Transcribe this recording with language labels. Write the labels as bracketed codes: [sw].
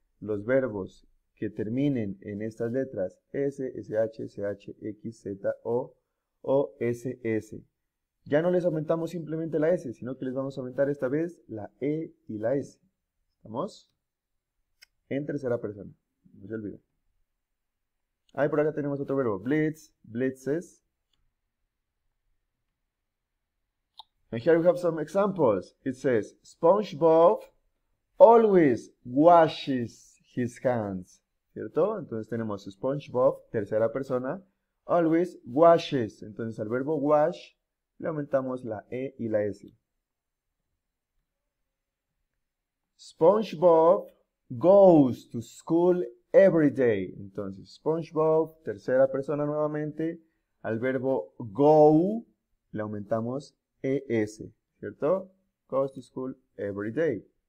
[es] Los verbos que terminen en estas letras S, SH, CH, X, Z, O, S, S. Ya no les aumentamos simplemente la S, sino que les vamos a aumentar esta vez la E y la S. ¿Estamos? En tercera persona. No se olviden. Ahí por acá tenemos otro verbo. [en] Blitz, blitzes. And here we have some examples. It says, SpongeBob always washes his hands. [es] ¿Cierto? Entonces tenemos SpongeBob, tercera persona, always washes. Entonces al verbo wash. Le aumentamos la E y la S. [en] SpongeBob goes to school every day. [es] Entonces, SpongeBob, tercera persona nuevamente, al verbo go le aumentamos ES, ¿cierto? [en] Goes to school every day.